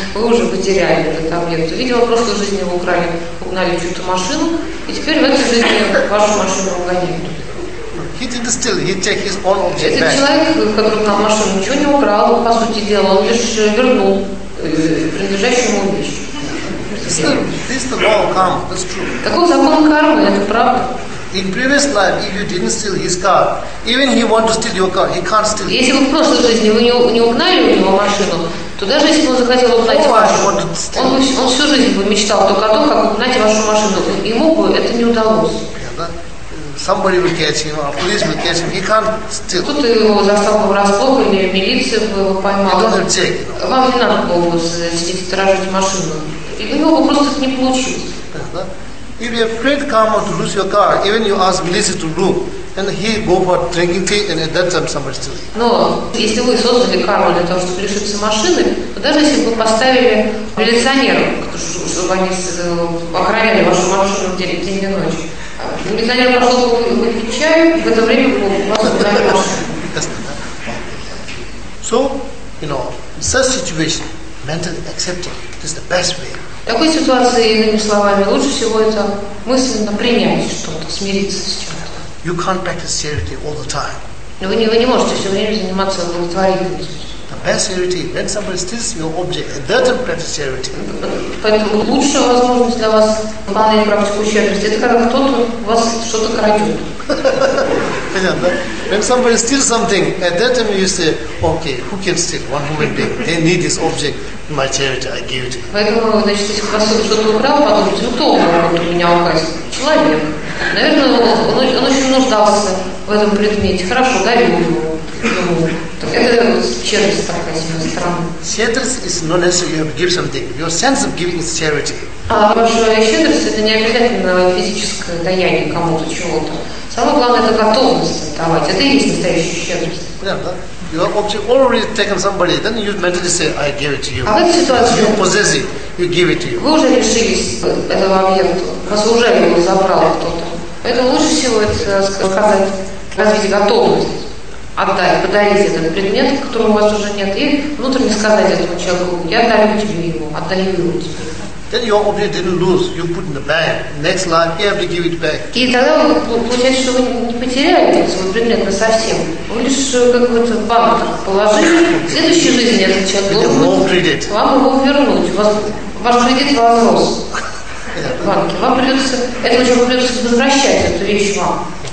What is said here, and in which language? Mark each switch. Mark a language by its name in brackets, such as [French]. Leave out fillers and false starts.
[Russian] Вы уже потеряли этот объект. Видимо, в прошлой жизни вы украли, угнали чью-то машину, и теперь в этой жизни вашу машину угоняют. [English] He didn't steal. He took his own object back. [Russian] Этот человек, который на машину ничего не украл, по сути дела, он лишь вернул принадлежащую ему вещь. [English] This is the law of karma. That's true. [Russian] Такой закон кармы, это правда. [English] In previous life, if you didn't steal his car, even he want to steal your car, he can't steal. [Russian] Если вы в прошлой жизни вы не угнали у него машину, то даже если он захотел угнать вашу, он всю жизнь бы мечтал только о том, как угнать вашу машину. Ему бы это не удалось. [English] Yeah, somebody will catch him, or police will catch him. He can't steal. [Russian] Кто-то его застал бы врасплох или милиция бы его поймала. [English] You don't have to take. [Russian] Вам не надо было бы сидеть сторожить машину. И у него бы просто это не получилось. [English] If you have great karma to lose your car, even you ask Melissa to do, and he go for drinking tea, and at that time somebody steals. [Russian] Но если вы создали карму для того, чтобы лишиться машины, то даже если бы поставили милиционеров, чтобы они охраняли вашу машину день и ночь, милиционер пошел бы выпить чаю, в это время бы у вас удалось. [English] So, such situation, mentally accepting, it is the best way. [Russian] В такой ситуации, иными словами, лучше всего это мысленно принять что-то, смириться с чем-то. [English] You can't practice charity all the time. [Russian] Вы не можете все время заниматься благотворительностью. [English] The best charity, when somebody steals your object, that is practice charity. [Russian] Поэтому лучшая возможность для вас выполнять практику щедрости, это когда кто-то у вас что-то крадет. Понятно? [English] When somebody steals something, at that time you say, okay, who can steal? One human being. They need this object in my charity, I give it. [Russian] Поэтому, значит, если вас что-то украл, подумайте, кто может у меня украсть? Человек. Наверное, он очень нуждался в этом предмете. Хорошо, дарю его. Это щедрость такая, с моей стороны. Щедрость [English] is not necessary to give something. Your sense of giving is charity. [Russian] А ваша щедрость – это не обязательно физическое даяние кому-то, чего-то. Самое главное – это готовность отдавать. Это и есть настоящая щедрость. Понятно? [English] Your object already taken somebody, then you mentally say, I give it to you. [Russian] А в этой ситуации? [English] You possess it, you give it to you. [Russian] Вы уже лишились этого объекта, вас уже его забрал кто-то. Поэтому лучше всего это сказать, развить готовность. Отдать, подарить этот предмет, которого у вас уже нет, и внутренне сказать этому человеку, я дарю тебе его, отдаю его тебе. [English] Then your object didn't lose, you put in the bag. Next life, you have to give it back. [Russian] И тогда получается, что вы не потеряли этот свой предмет насовсем. Вы лишь какой-то банк положили, в следующей жизни этот человек должен вам его вернуть. Ваш кредит возрос в банке. Вам придется, этому человеку придется возвращать эту вещь вам.